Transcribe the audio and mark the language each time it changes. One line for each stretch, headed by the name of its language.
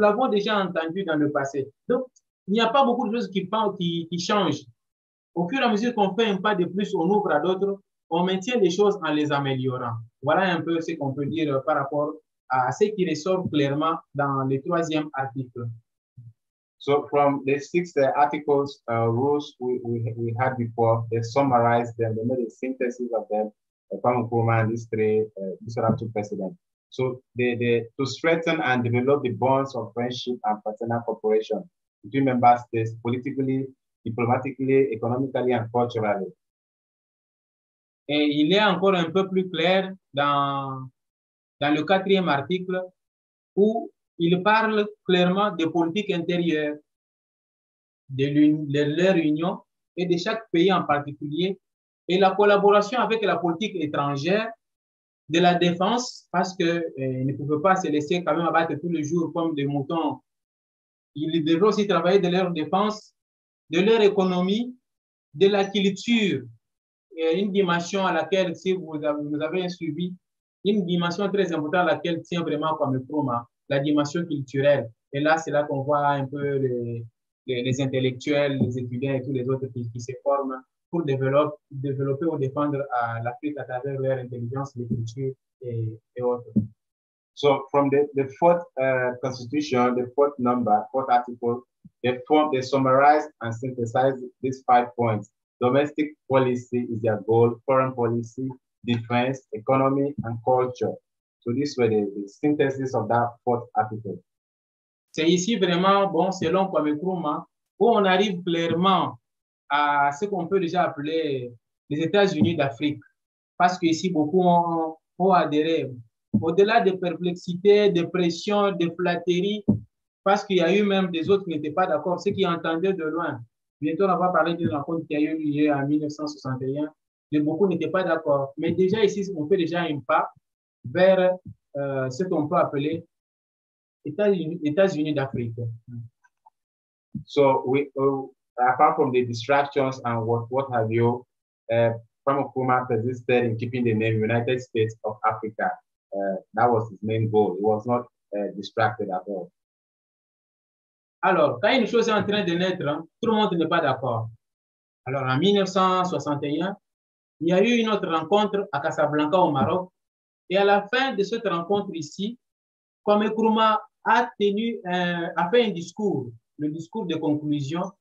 French: Nous l'avons déjà entendu dans le passé. Donc, il n'y a pas beaucoup de choses qui changent. Au fur et à mesure qu'on fait un pas de plus, on ouvre à d'autres, on maintient les choses en les améliorant. Voilà un peu ce qu'on peut dire par rapport à ce qui ressort clairement dans le troisième article.
English: So from the six articles, rules we had before, they summarized them, they made a synthesis of them, Kwame Nkrumah, these three two presidents. So to strengthen and develop the bonds of friendship and fraternal cooperation between member states politically, diplomatically, economically and culturally.
French: Et il est encore un peu plus clair dans le quatrième article où il parle clairement des politiques intérieures de leur union et de chaque pays en particulier et la collaboration avec la politique étrangère de la défense parce qu'ils ne pouvaient pas se laisser quand même abattre tous les jours comme des moutons. Ils devaient aussi travailler de leur défense, de leur économie, de la culture, une dimension à laquelle, si vous avez suivi, une dimension très importante à laquelle tient vraiment Kwame Nkrumah, la dimension culturelle. Et là, c'est là qu'on voit un peu les intellectuels, les étudiants et tous les autres qui se forment pour développer ou défendre l'Afrique à travers leur intelligence, les cultures et autres.
English: So, from the fourth constitution, the fourth number, fourth article, they summarized and synthesized these five points. Domestic policy is their goal, foreign policy, defense, economy, and culture. So, this was the synthesis of that fourth article.
French: C'est ici vraiment, bon, selon Kwame Nkrumah, où on arrive clairement à ce qu'on peut déjà appeler les États-Unis d'Afrique. Parce que ici, beaucoup ont adhéré. Au-delà des perplexités, des pressions, des flatteries, parce qu'il y a eu même des autres qui n'étaient pas d'accord, ceux qui entendaient de loin. Bientôt, on va parler d'une rencontre qui a eu lieu en 1961, mais beaucoup n'étaient pas d'accord. Mais déjà ici, on fait déjà un pas vers ce qu'on peut appeler États-Unis d'Afrique.
English: So, apart from the distractions and what have you, Kwame Nkrumah persisted in keeping the name United States of Africa. That was his main goal. He was not distracted at all.
French: Alors, quand une chose est en train de naître, tout le monde n'est pas d'accord. Alors, en 1961, il y a eu une autre rencontre à Casablanca, au Maroc. Et à la fin de cette rencontre ici, Kwame Nkrumah a fait un discours, le discours de conclusion.